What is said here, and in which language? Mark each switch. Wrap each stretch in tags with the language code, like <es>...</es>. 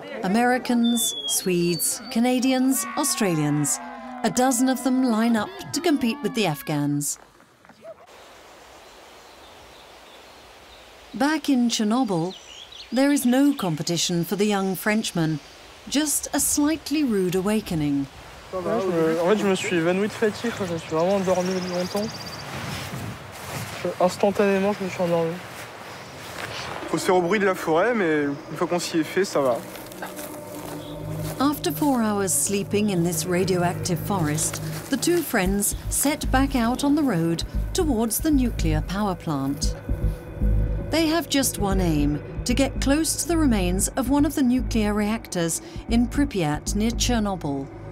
<en>Americans, Swedes, Canadians, Australians. A dozen of them line up to compete with the Afghans. Back in Chernobyl, there is no competition for the young Frenchman, just a slightly rude awakening.</en> <fr>En fait, je me suis évanoui de fatigue. Je suis vraiment endormi longtemps. Instantanément, je me suis endormi. Faut se faire au bruit de la forêt, mais une fois qu'on s'y est fait, ça va.</fr> <en>After 4 hours sleeping in this radioactive forest, the two friends set back out on the road towards the nuclear power plant. They have just one aim, to get close to the remains of one of the nuclear reactors in Pripyat near Chernobyl.</en>